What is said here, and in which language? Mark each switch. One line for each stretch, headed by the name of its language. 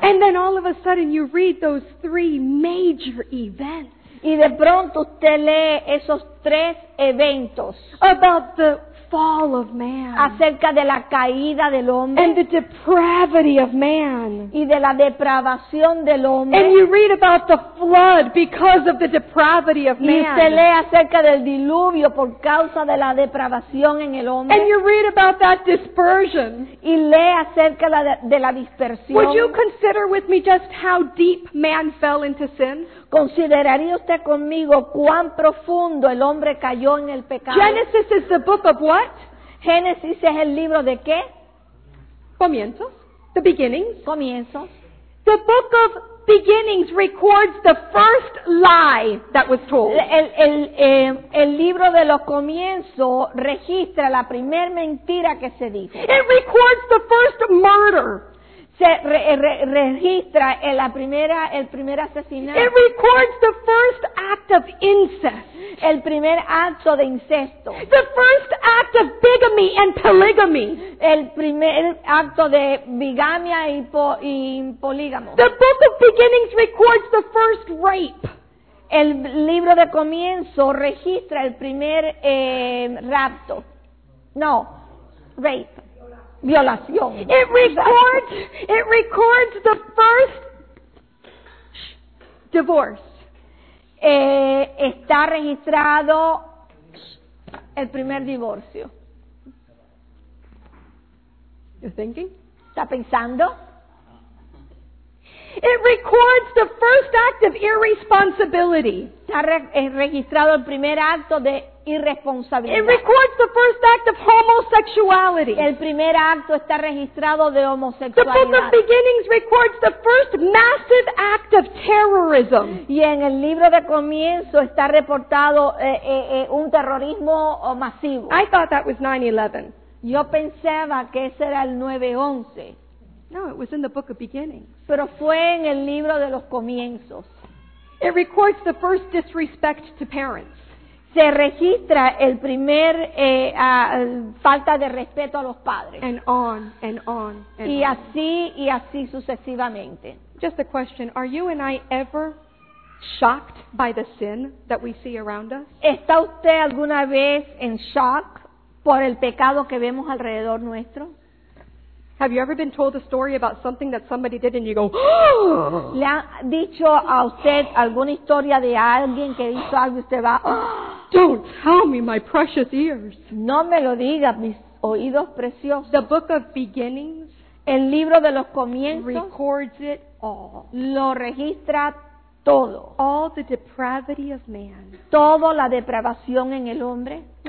English: And then all of a sudden you read those three major events.
Spanish: Y de pronto usted lee esos tres eventos.
English: About the fall of man.
Spanish: Acerca de la caída del hombre.
English: And the depravity of man.
Spanish: Y de la depravación del hombre.
English: And you read about the flood because of the depravity of man.
Spanish: Y usted lee acerca del diluvio por causa de la depravación en el hombre.
English: And you read about that dispersion.
Spanish: Y lee acerca de la dispersión.
English: Would you consider with me just how deep man fell into sin?
Spanish: ¿Consideraría usted conmigo cuán profundo el hombre cayó en el pecado?
English: Genesis is the book of what?
Spanish: Génesis es el libro de qué?
English: Comienzos. The beginnings.
Spanish: Comienzos.
English: The book of beginnings records the first lie that was told.
Spanish: El libro de los comienzos registra la primer mentira que se dijo.
English: It records the first murder.
Spanish: Se registra el primer asesinato.
English: It records the first act of incest.
Spanish: El primer acto de incesto.
English: The first act of bigamy and polygamy.
Spanish: El primer acto de bigamia y polígamo.
English: The book of beginnings records the first rape.
Spanish: El libro de comienzo registra el primer rapto.
English: No, rape. Violación. It records the first divorce.
Spanish: Está registrado el primer divorcio.
English: You're thinking?
Spanish: ¿Está pensando?
English: It records the first act of irresponsibility.
Spanish: Está registrado el primer acto de irresponsabilidad.
English: It records the first act of homosexuality.
Spanish: El primer acto está registrado de homosexualidad.
English: The book of beginnings records the first massive act of terrorism.
Spanish: Y en el libro de comienzo está reportado un terrorismo masivo.
English: I thought that was 9/11.
Spanish: Yo pensaba que ese era el 9/11.
English: No, it was in the book of beginnings.
Spanish: Pero fue en el libro de los comienzos.
English: It records the first disrespect to parents.
Spanish: Se registra el primer falta de respeto a los padres.
English: And on and on. And
Spanish: y así on. Y así sucesivamente.
English: Just a question: are you and I ever shocked by the sin that we see around us?
Spanish: ¿Está usted alguna vez en shock por el pecado que vemos alrededor nuestro?
English: Have you ever been told a story about something that somebody did and you go,
Spanish: ¿le han dicho a usted alguna historia de alguien que hizo algo y usted va,
English: don't tell me my precious ears.
Spanish: No me lo diga, mis oídos preciosos.
English: The book of beginnings,
Spanish: el libro de los comienzos,
English: records it all.
Spanish: Lo registra todo.
English: All the depravity of man.
Spanish: Todo la depravación en el hombre.